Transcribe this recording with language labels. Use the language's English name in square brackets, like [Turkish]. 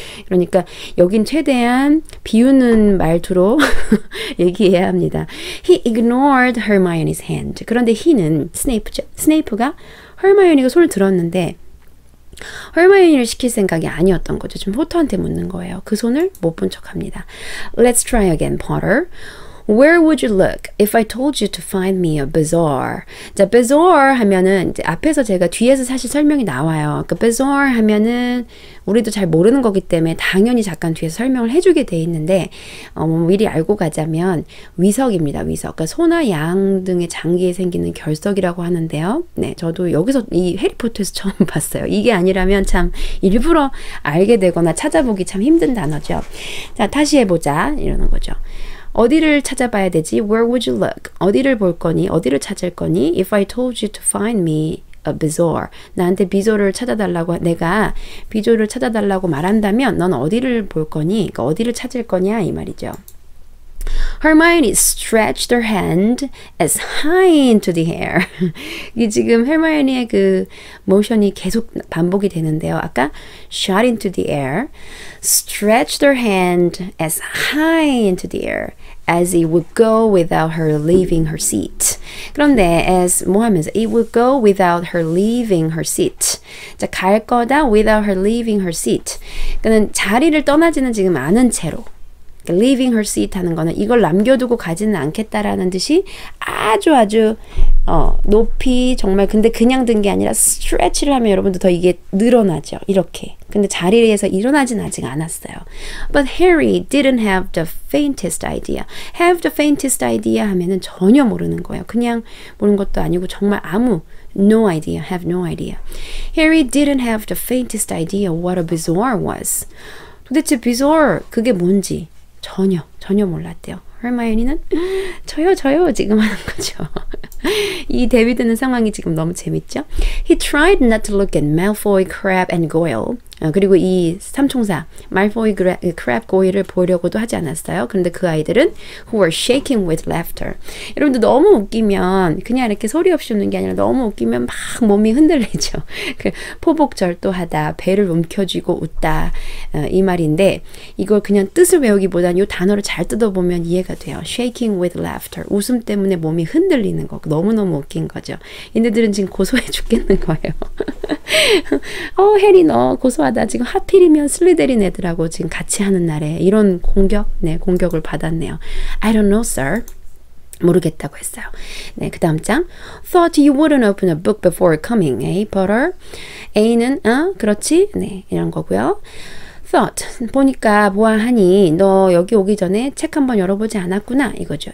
[Korean] 그러니까 여긴 최대한 비웃는 말투로 얘기해야 합니다. [English] He ignored Hermione's hand. [Korean] 그런데 he는 스네이프죠. 스네이프가 헐마이오니가 손을 들었는데 헐마이오니를 시킬 생각이 아니었던 거죠. 지금 포터한테 묻는 거예요. 그 손을 못 본 척합니다. [English] Let's try again, Potter. Where would you look if I told you to find me a bazaar? [Korean] 자, bazaar 하면은 이제 앞에서 제가 뒤에서 사실 설명이 나와요. 그 bazaar 하면은 우리도 잘 모르는 거기 때문에 당연히 잠깐 뒤에서 설명을 해주게 돼 있는데 미리 알고 가자면 위석입니다. 위석. 그러니까 소나 양 등의 장기에 생기는 결석이라고 하는데요. 네, 저도 여기서 이 해리포터에서 처음 봤어요. 이게 아니라면 참 일부러 알게 되거나 찾아보기 참 힘든 단어죠. 자, 다시 해보자 이러는 거죠. 어디를 찾아봐야 되지? [English] Where would you look? [Korean] 어디를 볼 거니? 어디를 찾을 거니? [English] If I told you to find me a bazaar. [Korean] 나한테 비조를 찾아달라고, 내가 비조를 찾아달라고 말한다면 넌 어디를 볼 거니? 그러니까 어디를 찾을 거냐? 이 말이죠. [English] Hermione stretched her hand as high into the air. [Korean] 이 지금 헤르마이오니의 그 모션이 계속 반복이 되는데요. 아까 [English] shot into the air. Stretched her hand as high into the air as it would go without her leaving her seat. [Korean] 그런데 [English] as [Korean] 뭐 하면서 [English] it would go without her leaving her seat. [Korean] 자, 갈 거다 [English] without her leaving her seat. [Korean] 그러니까 자리를 떠나지는 지금 않은 채로. [English] Leaving her seat [Korean] 하는 거는 이걸 남겨두고 가지는 않겠다라는 듯이 아주 아주 높이 정말 근데 그냥 든 게 아니라 스트레치를 하면 여러분도 더 이게 늘어나죠. 이렇게. 근데 자리에서 일어나진 아직 않았어요. [English] But Harry didn't have the faintest idea. Have the faintest idea [Korean] 하면은 전혀 모르는 거예요. 그냥 모르는 것도 아니고 정말 아무 [English] no idea, have no idea. Harry didn't have the faintest idea what a bazaar was. [Korean] 도대체 bazaar 그게 뭔지 전혀 몰랐대요. 헤르마이오니는 저요 지금 하는 거죠. 이 대비되는 상황이 지금 너무 재밌죠. [English] He tried not to look at Malfoy, Crabbe and Goyle. [Korean] 그리고 이 삼총사 Malfoy, Crabbe, Goyle을 보려고도 하지 않았어요. 그런데 그 아이들은 [English] who were shaking with laughter. [Korean] 여러분들 너무 웃기면 그냥 이렇게 소리 없이 웃는 게 아니라 너무 웃기면 막 몸이 흔들리죠. 그 포복절도하다, 배를 움켜쥐고 웃다 이 말인데 이걸 그냥 뜻을 외우기보다는 이 단어를 잘 뜯어보면 이해가 돼요. [English] Shaking with laughter. [Korean] 웃음 때문에 몸이 흔들리는 거. 너무너무 웃긴 거죠. 얘네들은 지금 고소해 죽겠는 거예요. 해리 너 고소하다. 지금 하필이면 슬리데린 애들하고 지금 같이 하는 날에 이런 공격? 네, 공격을 받았네요. [English] I don't know, sir. [Korean] 모르겠다고 했어요. 네, 그 다음 장. [English] Thought you wouldn't open a book before coming, eh, Potter? [Korean] A는, 그렇지? 네, 이런 거고요. Thought, 보니까 보아하니 너 여기 오기 전에 책 한번 열어보지 않았구나, 이거죠.